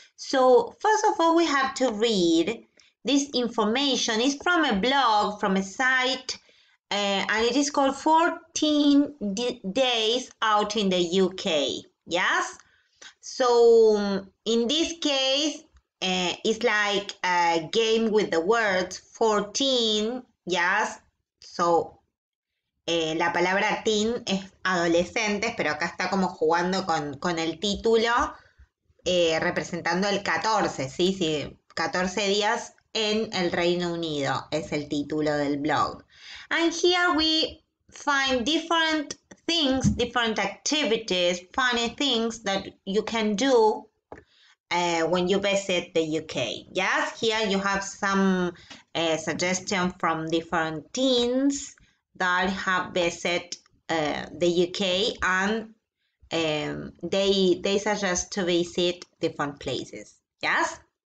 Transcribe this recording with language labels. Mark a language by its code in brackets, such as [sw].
[en] So, first of all, we have to read. This information is from a blog, from a site, and it is called 14 Days Out in the UK, yes? So, in this case, it's like a game with the words 14, yes? [es] So, la palabra teen es adolescentes, pero acá está como jugando con el título, representando el 14, sí, 14 días. En el Reino Unido, es el título del blog. [en] And here we find different things, different activities, funny things that you can do when you visit the UK. Yes, here you have some suggestions from different teens that have visited the UK and they suggest to visit different places. Yes?